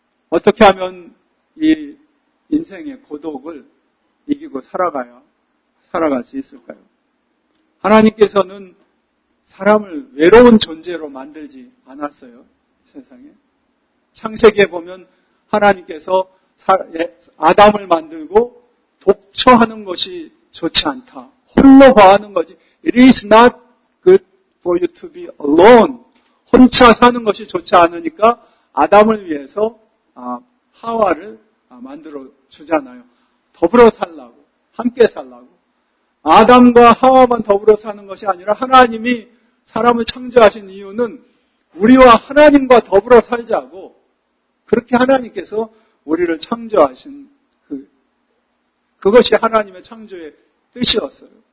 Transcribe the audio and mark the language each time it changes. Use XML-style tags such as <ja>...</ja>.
<ko>어떻게 하면 이 인생의 고독을 이기고 살아갈 수 있을까요? 하나님께서는 사람을 외로운 존재로 만들지 않았어요. 세상에. 창세기에 보면 하나님께서 아담을 만들고 독처하는 것이 좋지 않다. 홀로 화하는 거지.</ko> <en>It is not good for you to be alone.</en> <ko>혼자 사는 것이 좋지 않으니까 아담을 위해서 하와를 만들어 주잖아요. 더불어 살라고. 함께 살라고. 아담과 하와만 더불어 사는 것이 아니라 하나님이 사람을 창조하신 이유는 우리와 하나님과 더불어 살자고 그렇게 하나님께서 우리를 창조하신 그것이 하나님의 창조의 뜻이었어요.</ko>